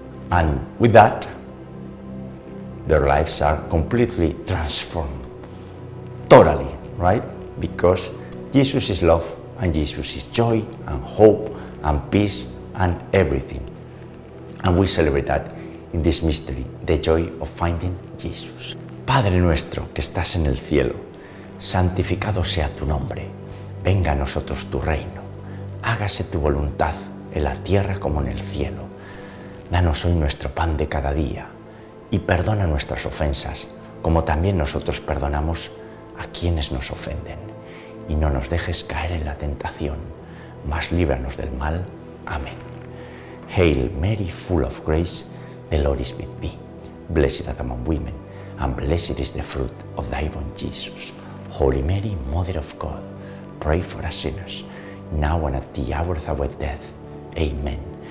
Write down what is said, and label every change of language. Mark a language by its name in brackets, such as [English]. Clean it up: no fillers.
[English] And with that, their lives are completely transformed, totally, right? Because Jesus is love, and Jesus is joy, and hope, and peace, and everything. And we celebrate that in this mystery, the joy of finding Jesus. [Spanish] Padre nuestro que estás en el cielo, santificado sea tu nombre. Venga a nosotros tu reino. Hágase tu voluntad en la tierra como en el cielo. Danos hoy nuestro pan de cada día y perdona nuestras ofensas como también nosotros perdonamos a quienes nos ofenden. Y no nos dejes caer en la tentación, mas líbranos del mal. Amén. [English] Hail Mary, full of grace, the Lord is with thee. Blessed art among women, and blessed is the fruit of thy womb, Jesus. Holy Mary, Mother of God, pray for us sinners, now and at the hour of our death. Amen.